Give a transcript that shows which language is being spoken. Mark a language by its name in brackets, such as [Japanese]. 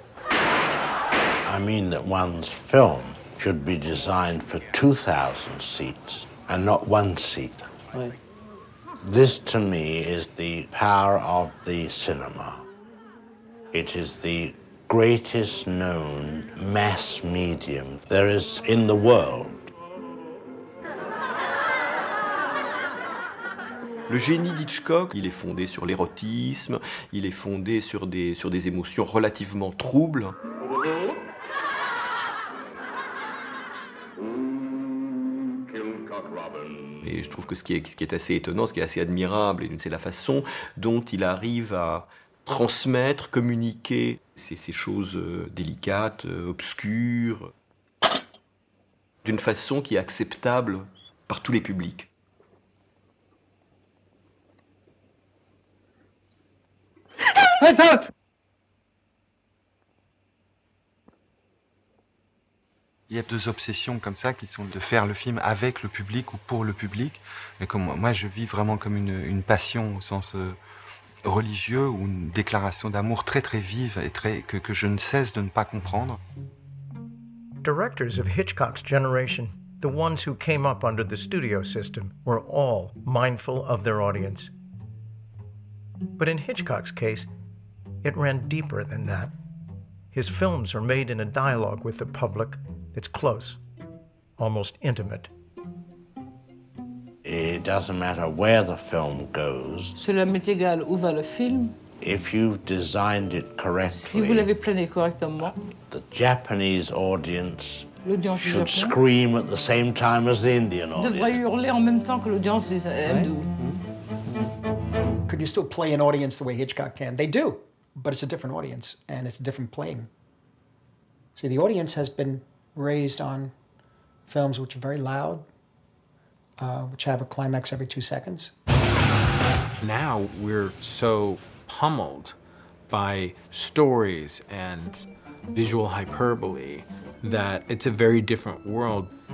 [English] I mean that one's film should be designed for 2,000 seats and not one seat. This to me is the power of the cinema. It is the greatest known mass medium there is in the world. [French] Le génie d'Hitchcock, il est fondé sur l'érotisme, il est fondé sur des émotions relativement troubles. Et je trouve que ce qui est assez étonnant, ce qui est assez admirable, c'est la façon dont il arrive à transmettre, communiquer ces choses délicates, obscures, d'une façon qui est acceptable par tous les publics. Il y a deux obsessions comme ça qui sont de faire le film avec le public ou pour le public. Et comme moi, je vis vraiment comme une passion au sens religieux ou une déclaration d'amour très très vive et très, que je ne cesse de ne pas comprendre. [English] Directors of Hitchcock's generation, the ones who came up under the studio system, were all mindful of their audience. But in Hitchcock's case, it ran deeper than that. His films are made in a dialogue with the public. It's close, almost intimate. It doesn't matter where the film goes. [French] Cela m'est égal où va le film. [English] If you've designed it correctly, [French] si vous l'avez planifié correctement, [English] the Japanese audience should scream at the same time as the Indian audience. [French] Devrait hurler en même temps que l'audience hindoue. [English] Could you still play an audience the way Hitchcock can? They do, but it's a different audience and it's a different plane. See, the audience has been raised on films which are very loud, which have a climax every 2 seconds. Now we're so pummeled by stories and visual hyperbole that it's a very different world.